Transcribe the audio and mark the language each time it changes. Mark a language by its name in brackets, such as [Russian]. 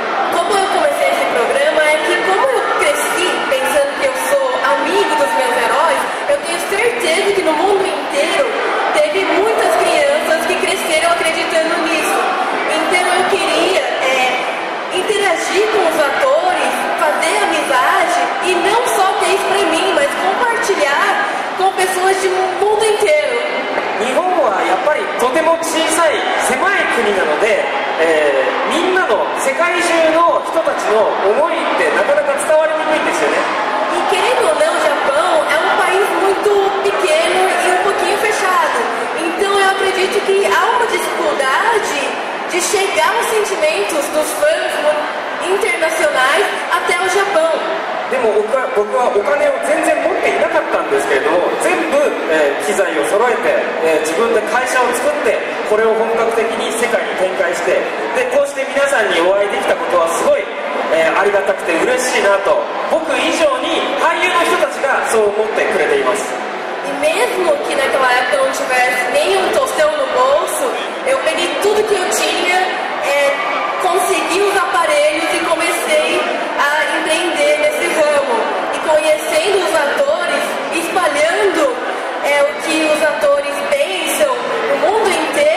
[Japanese] ここを [Portuguese] começar esse programa é que como eu cresci pensando que eu sou amigo dos meus heróis, eu tenho certeza que no mundo inteiroTeve muitas crianças que cresceram acreditando nisso. Então eu queria interagir com os atores, fazer amizade e não só ter isso pra mim, mas compartilhar com pessoas de mundo inteiro. [Japanese] 日本はやっぱりとても小さい狭い国なので、みんなの世界中の人たちの思いってなかなか伝わりにくいんですよね。 [Portuguese] E querendo ou não, Japão é país muito pequeno e pouquinho fechado. Então eu acredito que há uma dificuldade de chegar os sentimentos dos fãs internacionais até o Japão. [Japanese] でも僕は、僕はお金を全然持っていなかったんですけれども、全部、機材を揃えて、自分で会社を作って、これを本格的に世界に展開して、でこうして皆さんにお会いできたことはすごい、ありがたくて嬉しいなと、僕以上に俳優の人たちがそう思ってくれています。 [Portuguese] E mesmo que naquela época não tivesse nenhum tostão no bolso, eu peguei tudo que eu tinha, consegui os aparelhos e comecei a empreender nesse ramo. E conhecendo os atores, espalhando o que os atores pensam no mundo inteiro.